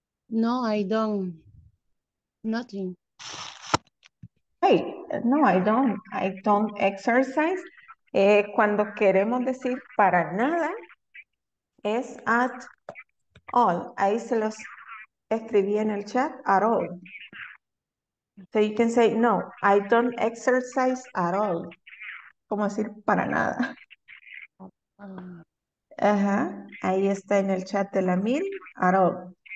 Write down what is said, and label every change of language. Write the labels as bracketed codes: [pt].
[en] No, I don't. Nothing. Hey, no, I don't. I don't exercise. [es] Cuando queremos decir para nada, es [en] at all. [es] Ahí se los escribí en el chat, [en] at all. So you can say, no, I don't exercise at all. [es] ¿Cómo decir para nada? Uh-huh. Ahí está en el chat de la mil, [en] at all.